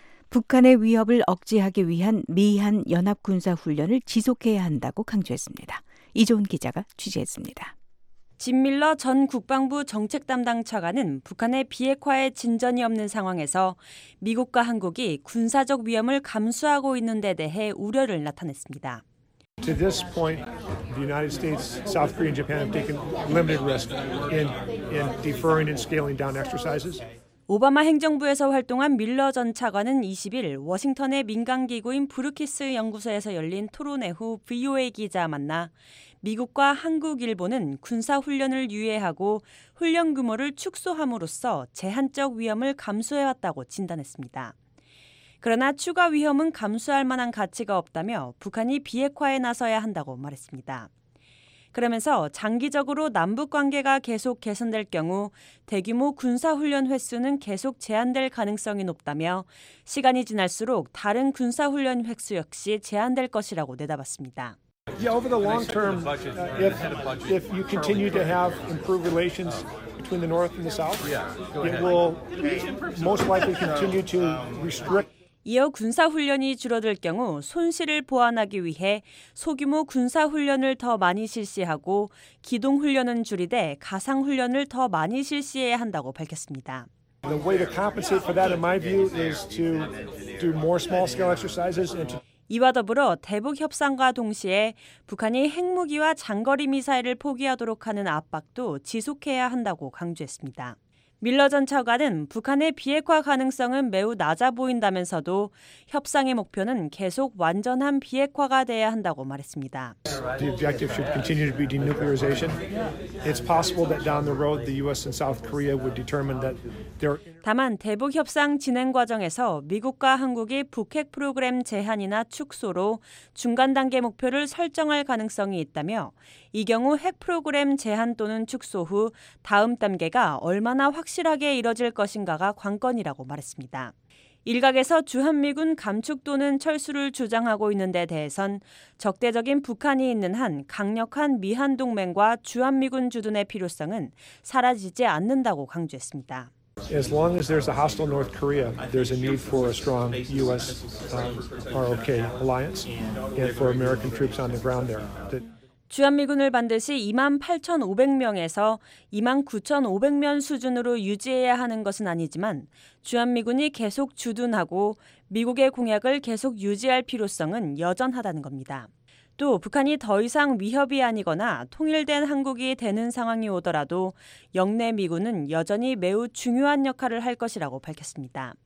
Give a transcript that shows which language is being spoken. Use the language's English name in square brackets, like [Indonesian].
[Korean] 북한의 위협을 억제하기 위한 미한 연합군사훈련을 지속해야 한다고 강조했습니다. 이종훈 기자가 취재했습니다. 짐 밀러 전 국방부 정책 담당 차관은 북한의 비핵화에 진전이 없는 상황에서 미국과 한국이 군사적 위험을 감수하고 있는 데 대해 우려를 나타냈습니다. [English] To this point, the United States, South Korea, and Japan have taken limited risk in deferring and scaling down exercises. [Korean] 오바마 행정부에서 활동한 밀러 전 차관은 20일 워싱턴의 민간기구인 브루키스 연구소에서 열린 토론회 후 VOA 기자 만나 미국과 한국, 일본은 군사훈련을 유예하고 훈련 규모를 축소함으로써 제한적 위험을 감수해왔다고 진단했습니다. 그러나 추가 위험은 감수할 만한 가치가 없다며 북한이 비핵화에 나서야 한다고 말했습니다. 그러면서 장기적으로 남북관계가 계속 개선될 경우 대규모 군사훈련 횟수는 계속 제한될 가능성이 높다며 시간이 지날수록 다른 군사훈련 횟수 역시 제한될 것이라고 내다봤습니다. [English] Yeah, over the long term, if you continue to have improved relations between the North and the South, it will most likely continue to restrict. [Korean] 이어 군사훈련이 줄어들 경우 손실을 보완하기 위해 소규모 군사훈련을 더 많이 실시하고 기동훈련은 줄이되 가상훈련을 더 많이 실시해야 한다고 밝혔습니다. [English] The way to compensate for that, in my view, is to do more small-scale exercises and to [Korean] 이와 더불어 대북 협상과 동시에 북한이 핵무기와 장거리 미사일을 포기하도록 하는 압박도 지속해야 한다고 강조했습니다. 밀러 전 차관은 북한의 비핵화 가능성은 매우 낮아 보인다면서도 협상의 목표는 계속 완전한 비핵화가 돼야 한다고 말했습니다. [English] The objective should continue to be denuclearization. It's possible that down the road the US and South Korea would determine that there [Korean] 다만 대북 협상 진행 과정에서 미국과 한국이 북핵 프로그램 제한이나 축소로 중간 단계 목표를 설정할 가능성이 있다며 이 경우 핵 프로그램 제한 또는 축소 후 다음 단계가 얼마나 확실하게 이뤄질 것인가가 관건이라고 말했습니다. 일각에서 주한미군 감축 또는 철수를 주장하고 있는 데 대해선 적대적인 북한이 있는 한 강력한 미한동맹과 주한미군 주둔의 필요성은 사라지지 않는다고 강조했습니다. [English] As long as there's a hostile North Korea, there's a need for a strong U.S. ROK alliance and for American troops on the ground there. [Korean] 주한미군을 반드시 2만 8,500명에서 2만 9,500명 수준으로 유지해야 하는 것은 아니지만 주한미군이 계속 주둔하고 미국의 공약을 계속 유지할 필요성은 여전하다는 겁니다. 또 북한이 더 이상 위협이 아니거나 통일된 한국이 되는 상황이 오더라도 영내 미군은 여전히 매우 중요한 역할을 할 것이라고 밝혔습니다.